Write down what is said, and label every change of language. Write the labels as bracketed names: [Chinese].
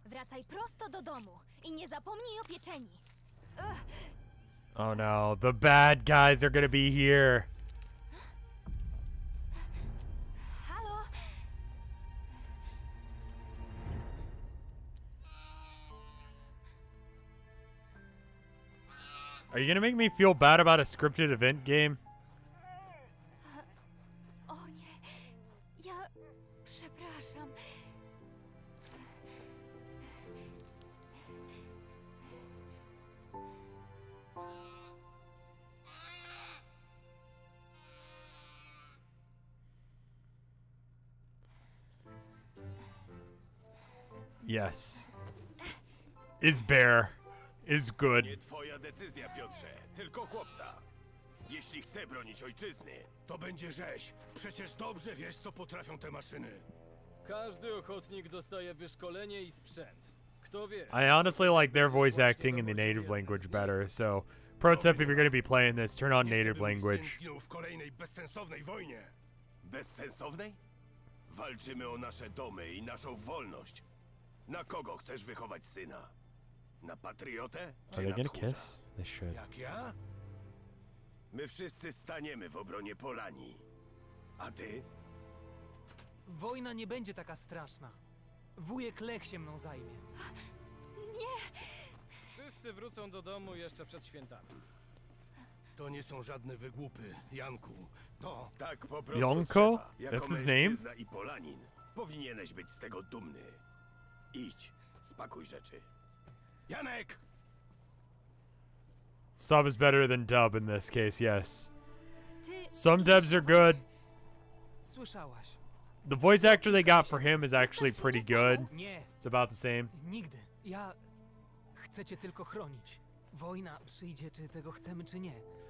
[Polish] Wracaj prosto do domu i nie zapomnij o pieczeni. [English] Oh no, the bad guys are gonna be here. Are you gonna make me feel bad about a scripted event game? [Polish] O nie. Ja przepraszam. [English] Yes. Is bear. Is good. [Polish] Nie twoja decyzja, Piotrze, tylko chłopca. Jeśli chce bronić ojczyzny, to będzie rzeź. Przecież dobrze wiesz, co potrafią te maszyny. Każdy ochotnik dostaje wyszkolenie i sprzęt. Kto wie? [English] I honestly like their voice acting in the native language better, so pro tip, if you're gonna be playing this, turn on native language. [Polish] W kolejnej bezsensownej wojnie. Bezsensownej? Walczymy o nasze domy i naszą wolność. Na kogo chcesz wychować syna? Na patriotę? [English] Are they gonna kiss? They should. [Polish] Jak ja? My wszyscy staniemy w obronie Polanii. A ty? Wojna nie będzie taka straszna. Wujek Lech się mną zajmie. Nie! Wszyscy wrócą do domu jeszcze przed świętami. To nie są żadne wygłupy, Janku. To... Tak po prostu Janko? Trzeba. Jako mężczyzna i Polanin, powinieneś być z tego dumny. Idź, spakuj rzeczy. Janek! [English] Sub is better than dub in this case, yes. Some dubs are good. [Polish] Słyszałaś. [English] The voice actor they got for him is actually pretty good. It's about the same. [Polish] Nigdy. Ja chcę cię tylko chronić. Wojna przyjdzie, czy tego chcemy, czy nie.